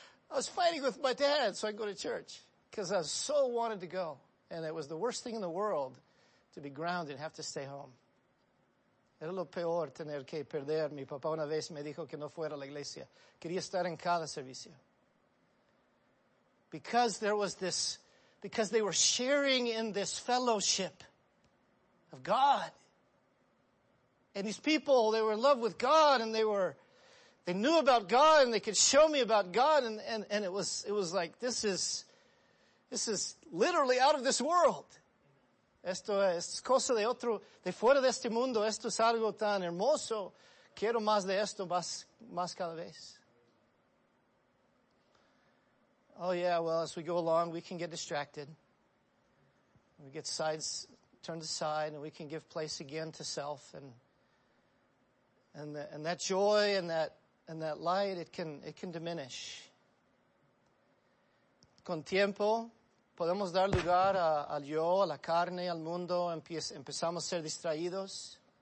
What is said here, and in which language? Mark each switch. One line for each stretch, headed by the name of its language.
English: I was fighting with my dad so I'd go to church because I so wanted to go. And it was the worst thing in the world to be grounded and have to stay home.
Spanish: Era lo peor tener que perder. Mi papá una vez me dijo que no fuera a la iglesia. Quería estar en cada servicio.
English: Because they were sharing in this fellowship of God. And these people, they were in love with God and They knew about God and they could show me about God, and it was like, this is literally out of this world.
Spanish: Esto es cosa de otro, de fuera de este mundo. Esto es algo tan hermoso. Quiero más de esto, más cada vez.
English: Oh yeah, well, as we go along, we can get distracted. We get sides turned aside, and we can give place again to self, and that joy and that light, it can diminish.
Spanish: Con tiempo, podemos dar lugar al yo, a la carne, al mundo, empezamos a ser distraídos.